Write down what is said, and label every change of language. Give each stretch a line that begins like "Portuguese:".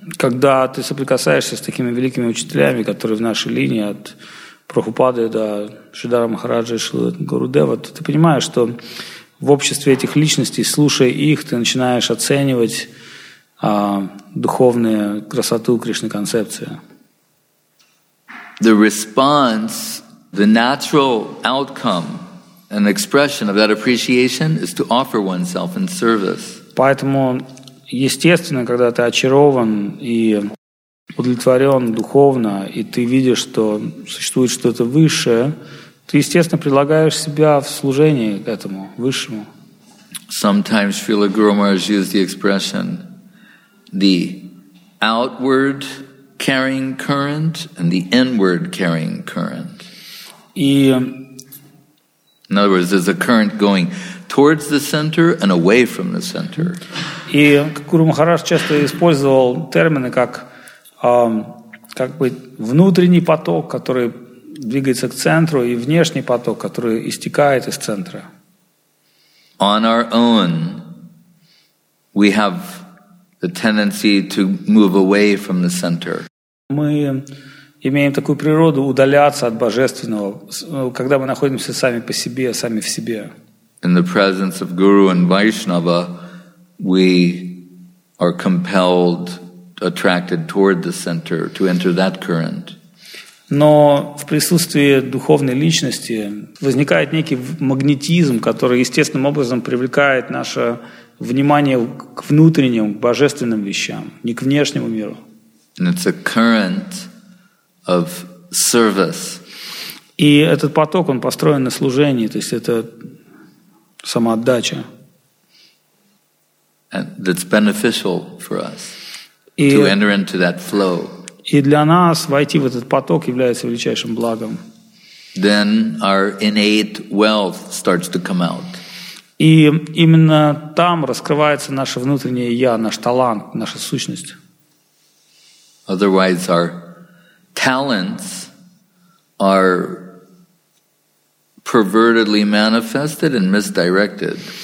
Russian: Когда ты соприкасаешься с такими великими учителями, которые в нашей линии от Прабхупады до Шридхара Махараджа и Шрилы Гурудева, то ты понимаешь, что в обществе этих личностей, слушая их, ты начинаешь оценивать духовную красоту Кришны концепции.
English: The response, the natural outcome and expression of that appreciation is to offer oneself in service.
Russian: Поэтому естественно, когда ты очарован и удовлетворен духовно, и ты видишь, что существует что-то высшее, ты, естественно, предлагаешь себя в служении к этому высшему.
English: Sometimes Srila Guru Maharaj used the expression the outward carrying current and the inward carrying current. In other words, there's a current going towards the center and away from the center.
Russian: И Гуру Махарадж часто использовал термины как бы внутренний поток, который двигается к центру, и внешний поток, который истекает из центра.
English: On our own, we have the tendency to move away from the center.
Russian: Мы имеем такую природу удаляться от божественного, когда мы находимся сами по себе, сами в себе.
English: In the presence of Guru and Vaishnava, we are compelled, attracted toward the center, to enter that current.
Russian: Но в присутствии духовной личности возникает некий магнетизм, который естественным образом привлекает наше внимание к внутренним, к божественным вещам, не к внешнему миру.
English: And it's a current of service.
Russian: И этот поток, он построен на служении, то есть это самоотдача.
English: And that's beneficial for us to enter into that flow.
Russian: И для нас войти в этот поток является величайшим благом.
English: Then our innate wealth starts to come out.
Russian: И именно там раскрывается наше внутреннее я, наш талант, наша сущность.
English: Otherwise, our talents are pervertedly manifested and misdirected.